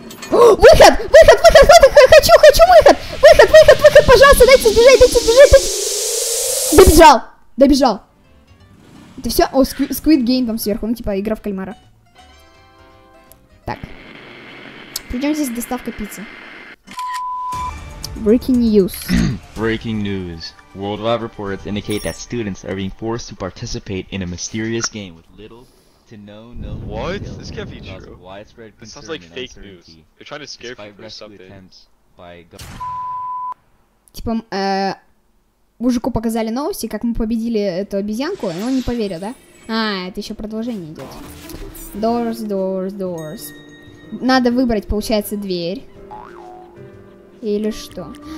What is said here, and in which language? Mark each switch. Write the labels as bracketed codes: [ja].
[ru] О, выход! Выход! Выход! Выход! Хочу! Хочу выход! Выход! Выход! Выход! Пожалуйста, дайте бежать! Дайте бежать! Дайте... Добежал! Добежал! Это все? О, Squid Game там сверху, ну типа игра в кальмара. Так. Придем здесь с доставкой пиццы. [en] Breaking news. Breaking news. Worldwide reports indicate that students are being forced to participate in a mysterious game with little to no known. What? This can't be true. This sounds like fake news. They're trying to scare people or something. [ru] Типа, мужику показали новости, как мы победили эту обезьянку, и он не поверил, да? А, это еще продолжение идет. [en] Doors, doors, doors. [ru] Надо выбрать, получается, дверь. Или что?